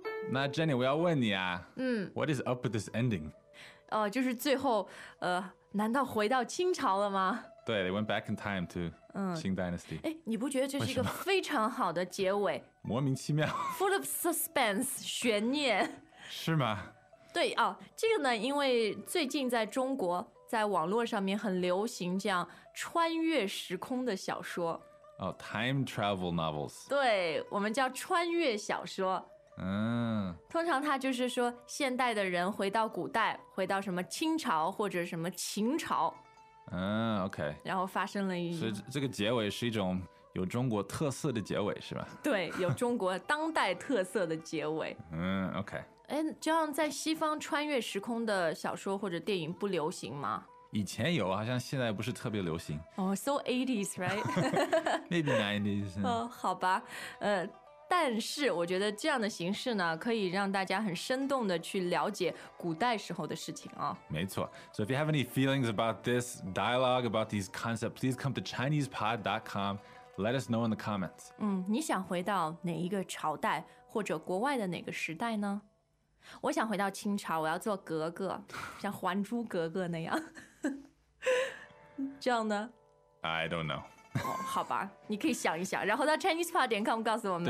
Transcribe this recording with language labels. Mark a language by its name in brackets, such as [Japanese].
[Chinese] 那 Jenny， 我要问你啊，嗯 [English] ，What is up with this ending？ [Chinese] 哦，就是最后，难道回到清朝了吗？ [English] 对 ，They went back in time to Qing Dynasty。 [Chinese] 哎，你不觉得这是一个非常好的结尾？莫名其妙 [English] ，Full of suspense， [Chinese] 悬念。是吗？对啊，这个呢，因为最近在中国，在网络上面很流行这样穿越时空的小说。 [English] 哦 ，time travel novels。 [Chinese] 对，我们叫穿越小说。嗯。通常它就是说，现代的人回到古代，回到什么清朝或者什么秦朝。 [English] 嗯 ，OK。 [Chinese] 然后发生了一。所以这个结尾是一种有中国特色的结尾，是吧？对，有中国当代特色的结尾。 [English] 嗯 ，OK。 [Chinese] 哎，这样在西方穿越时空的小说或者电影不流行吗？以前有，好像现在不是特别流行。 [English] 哦、oh, ，so 80s， right？ Maybe 90s。 [Chinese] 哦，好吧，但是我觉得这样的形式呢，可以让大家很生动的去了解古代时候的事情啊、哦。没错。 [English] So if you have any feelings about this dialogue, about these concepts, please come to ChinesePod.com. Let us know in the comments. [Chinese] 嗯，你想回到哪一个朝代或者国外的哪个时代呢？我想回到清朝，我要做格格，像还珠格格那样。这样呢 [English] I don't know、 [Chinese] oh, 好吧，你可以想一想，然后到 ChinesePod.com 告诉我们。